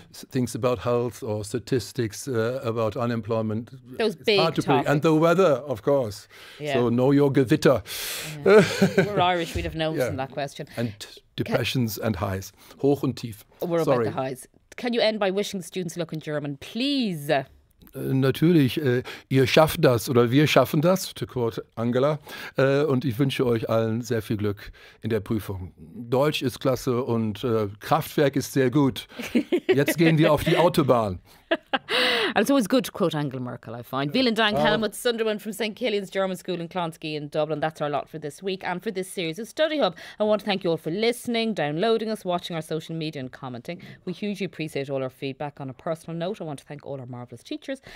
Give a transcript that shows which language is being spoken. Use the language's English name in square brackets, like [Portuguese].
[English] things about health or statistics about unemployment. Those big topics. And the weather, of course. Yeah. So know your Gewitter. Yeah. We're Irish, we'd have known in that question. And depressions and highs. [German] Hoch und tief. [English] We're about the highs. Can you end by wishing the students luck in German, please? [German] Natürlich, ihr schafft das oder wir schaffen das, [English] to quote Angela, [German] und ich wünsche euch allen sehr viel Glück in der Prüfung. Deutsch ist klasse und Kraftwerk ist sehr gut. Jetzt gehen wir auf die Autobahn. [English] It's always good to quote Angela Merkel, I find. [German] Vielen Dank, [English] Helmut Sundermann from St. Kilian's German School in Clonsky in Dublin. That's our lot for this week and for this series of Study Hub. I want to thank you all for listening, downloading us, watching our social media and commenting. We hugely appreciate all our feedback. On a personal note, I want to thank all our marvellous teachers.